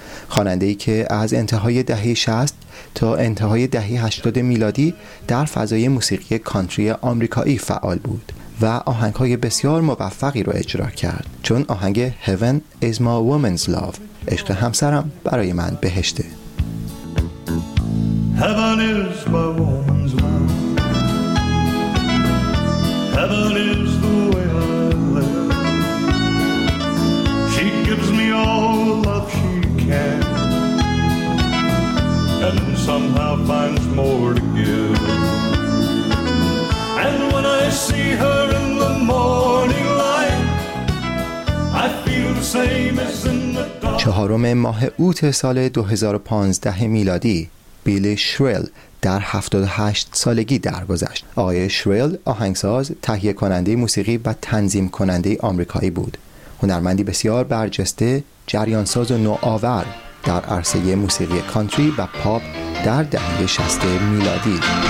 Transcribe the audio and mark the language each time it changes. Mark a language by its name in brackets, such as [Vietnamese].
[Persian] خواننده‌ای که از انتهای دهه 60 تا انتهای دهه 80 میلادی در فضای موسیقی کانتری آمریکایی فعال بود و آهنگ‌های بسیار موفقی را اجرا کرد، چون آهنگ Heaven is my woman's love، عشق همسرم برای من بهشته. [English] Heaven is my woman's love. Heaven is the way I live. She gives me all the love she can, and somehow finds more to give. And when I see her in the morning light, I feel the same as in the dark. [Persian] چهارم ماه اوت سال 2015 میلادی بیلی شریل در 78 سالگی درگذشت. آقای شریل آهنگساز، تهیه کننده موسیقی و تنظیم کننده آمریکایی بود. هنرمندی بسیار برجسته، جریانساز و نوآور در عرصه موسیقی کانتری و پاپ در دهه 60 میلادی.